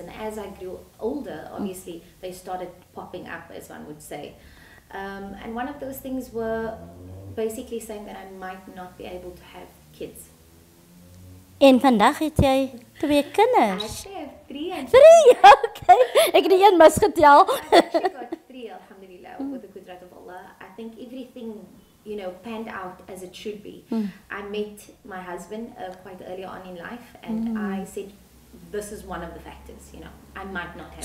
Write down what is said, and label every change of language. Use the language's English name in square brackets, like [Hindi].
[English] And as I grew older, obviously, they started popping up, as one would say. And one of those things were basically saying that I might not be able to have kids. [Afrikaans] En vandag het jy twee kinders. [English] I actually have three. Three? Okay. [Afrikaans] Ek het die een misgetel. [English] I think everything, you know, panned out as it should be. I met my husband quite early on in life and I said, this is one of the factors, you know, I might not have.